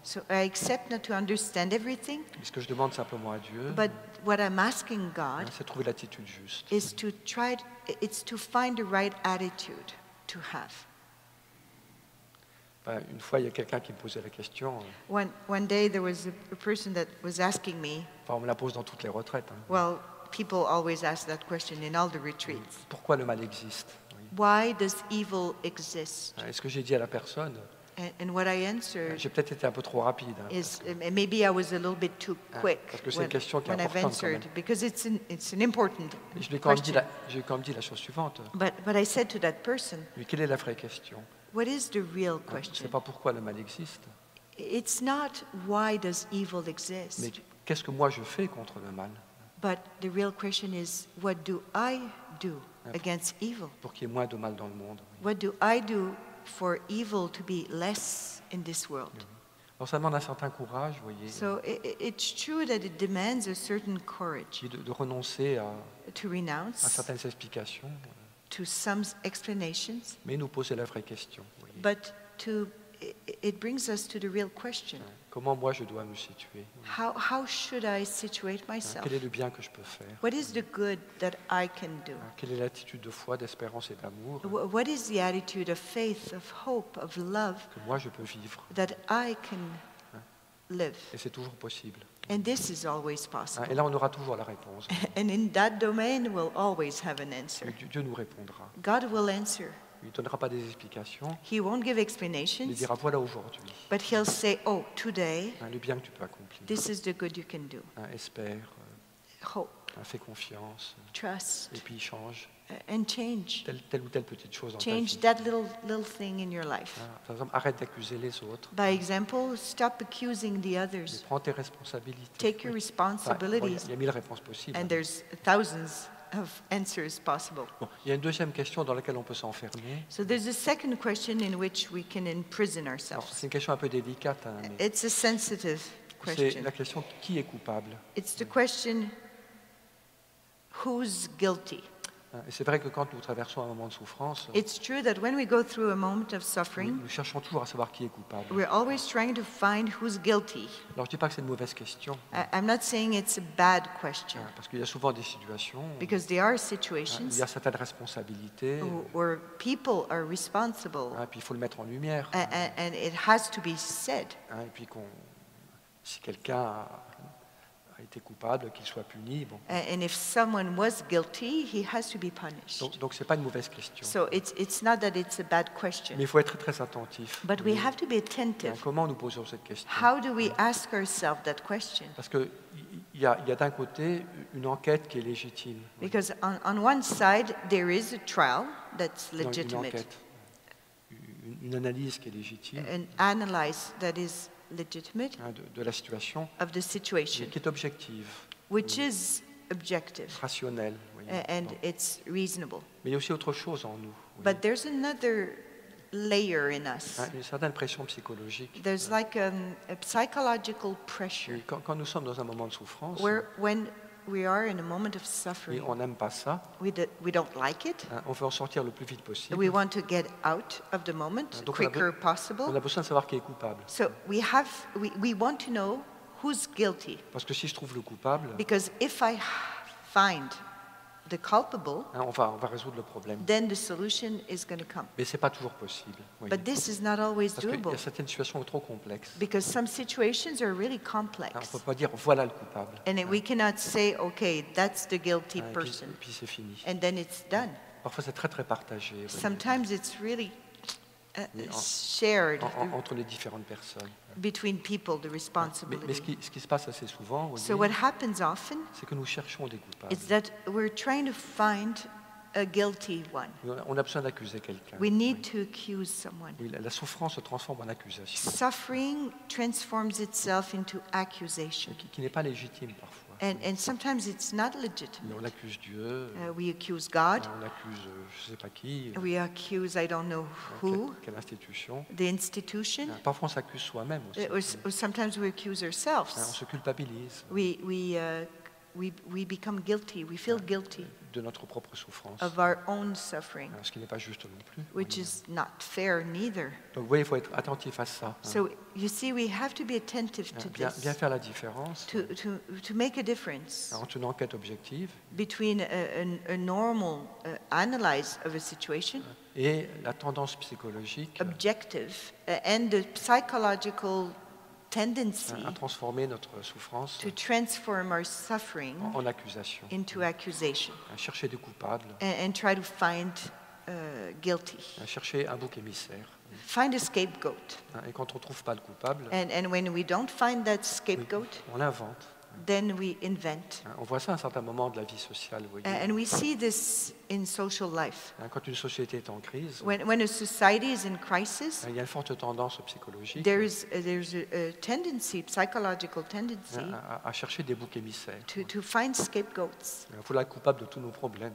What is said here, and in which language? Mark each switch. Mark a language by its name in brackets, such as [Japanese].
[English] So I accept not to understand everything. [French] Mais ce que je demande simplement à Dieu. [English] But what I'm asking God. [French] C'est trouver l'attitude juste. [English] Is to try. It's to find the right attitude to have. [French] Une fois, il y a quelqu'un qui me posait la question. [English] One day, there was a person that was asking me. [French] Enfin, on me la pose dans toutes les retraites. [English] Well, people always ask that question in all the retreats. [French] Pourquoi le mal existe? [English] Why does evil exist? [French] Est-ce que j'ai dit à la personne? [English] And what I answered. [French] J'ai peut-être été un peu trop rapide. [English] Maybe I was a little bit too quick. [French] Parce que c'est une question qui est importante quand même. [English] Because it's an important question. [French] Je lui ai quand même dit la chose suivante. [English] But I said to that person. [French] Mais quelle est la vraie question? [English] What is the real question? [French] C'est pas pourquoi le mal existe. [English] It's not why does evil exist. [French] Mais qu'est-ce que moi je fais contre le mal? [English] But the real question is what do I do against evil? [French] Pour qu'il y ait moins de mal dans le monde. [English] What do I do for evil to be less in this world? [French] Alors ça demande un certain courage, voyez. [English] So it's true that it demands a certain courage. [French] De renoncer à [English] to renounce [French] à certaines explications. [English] To some explanations, [French] mais nous poser la vraie question. Oui. [English] But to it brings us to the real question. [French] Comment moi je dois me situer? [English] How should I situate myself? [French] Quel est le bien que je peux faire? [English] What is the good that I can do? [French] Quelle est l'attitude de foi, d'espérance et d'amour? [English] What is the attitude of faith, of hope, of love? [French] Que moi je peux vivre? [English] That I can live. [French] Et c'est toujours possible. [English] And this is always possible. [French] Et là, on aura toujours la réponse. [English] And in that domain, we'll always have an answer. [French] Dieu nous répondra. [English] God will answer. [French] Il ne donnera pas des explications. [English] He won't give explanations. [French] Il dira voilà aujourd'hui. [English] But he'll say, oh, today. [French] Le bien que tu peux accomplir. [English] This is the good you can do. [French] Espère. [English] Hope. [French] Fais confiance. [English] Trust. [French] Et puis change. [English] And change. [French] Telle ou telle petite chose [English] change [French] dans ta vie. [English] Change that little thing in your life. [French] Par exemple, arrête d'accuser les autres. [English] By example, stop accusing the others. [French] Et prends tes responsabilités. [English] Take your responsibilities. [French] Il y a 1000 réponses possibles. [English] And there's thousands of answers possible. [French] Bon, il y a une deuxième question dans laquelle on peut s'enfermer. [English] So there's a second question in which we can imprison ourselves. [French] Alors, c'est une question un peu délicate. [English] It's a sensitive question. [French] C'est la question qui est coupable. [English] It's the question who's guilty. [French] Et c'est vrai que quand nous traversons un moment de souffrance, [English] it's true that when we go through a moment of suffering, [French] nous cherchons toujours à savoir qui est coupable. [English] We're always trying to find who's guilty. [French] Alors, je dis pas que c'est une mauvaise question. [English] I'm not saying it's a bad question. [French] Parce qu'il y a souvent des situations. [English] Because there are situations. [French] Il y a certaines responsabilités. [English] Where people are responsible. [French] Et puis il faut le mettre en lumière. [English] And it has to be said. [French] Et puis si quelqu'un a été coupable, qu'il soit puni. Bon. [English] And if someone was guilty, he has to be punished. [French] Donc c'est pas une mauvaise question. [English] So it's not that it's a bad question. [French] Mais il faut être très, très attentif. [English] But we have to be attentive. [French] Bien, comment nous posons cette question? [English] How do we ask ourselves that question? [French] Parce que il y a d'un côté une enquête qui est légitime. [English] Because on one side there is a trial that's legitimate. [French] Non, une enquête, une analyse qui est légitime. [English] An analyse that is legitimate, [French] de la situation, [English] of the situation, [French] qui est objective, [English] which is objective, [French] rationnel, [English] and it's reasonable. [French] Mais il y a aussi autre chose en nous. Oui. [English] But there's another layer in us. [French] Une certaine pression psychologique. [English] There's like a psychological pressure. [French] Quand nous sommes dans un moment de souffrance, [English] when we are in a moment of suffering, [French] on n'aime pas ça. [English] We don't like it. [French] On veut en sortir le plus vite possible. [English] We want to get out of the moment quicker possible. [French] On a besoin de savoir qui est coupable. [English] So we want to know who's guilty. [French] Parce que si je trouve le coupable, [English] because if I find the culpable, [French] on va résoudre le problème. [English] Then the solution is going to come. [French] Mais c'est pas toujours possible. Oui. [English] But this is not always doable. [French] Parce qu'il y a certaines situations trop complexes. [English] Because some situations are really complex. [French] On peut pas dire voilà le coupable. [English] And we cannot say okay that's the guilty person. [French] Et puis c'est fini. [English] And then it's done. [French] Parfois c'est très très partagé. [English] Sometimes it's really shared [French] entre les différentes personnes. [English] Between people, the responsibility. [French] Mais ce qui se passe assez souvent, [English] so what happens often, [French] c'est que nous cherchons des coupables. [English] It's that we're trying to find a guilty one. [French] On a besoin d'accuser quelqu'un. [English] We need to accuse someone. [French] Oui, la souffrance se transforme en accusation. [English] Suffering transforms itself into accusation. [French] Qui n'est pas légitime parfois. [English] And sometimes it's not legitimate. [French] Mais on accuse Dieu. [English] We accuse God. [French] On accuse je sais pas qui. [English] We accuse I don't know who. [French] Quelle institution? [English] The institution. [French] Parfois on s'accuse soi-même aussi. [English] Or sometimes we accuse ourselves. [French] On se culpabilise. [English] We become guilty. We feel guilty. [French] De notre propre souffrance. [English] Of our own suffering. [French] Ce qui n'est pas juste non plus. [English] Which is not fair neither. [French] Donc vous voyez, il faut être attentif à ça. [English] So you see, we have to be attentive to [French] bien, [English] this. [French] Bien faire la différence. [English] To make a difference. [French] Entre une enquête objective. [English] Between a normal analyse of a situation. [French] Et la tendance psychologique. [English] Objective and the psychological tendency [French] à transformer notre souffrance [English] to transform our suffering [French] en accusation, [English] into accusation. [French] À chercher des coupables [English] and try to find guilty. [French] À chercher un bouc émissaire. [English] Find a scapegoat. [French] Et quand on trouve pas le coupable, [English] and when we don't find that scapegoat, [French] on l'invente. [English] Then we invent. [French] On voit ça à un certain moment de la vie sociale. Vous voyez. [English] And we see this in social life. [French] Quand une société est en crise, [English] when a society is in crisis, [French] il y a une forte tendance psychologique. [English] There's a tendency, psychological tendency, [French] à chercher des boucs émissaires. [English] To find scapegoats. [French] Il faut être coupable de tous nos problèmes.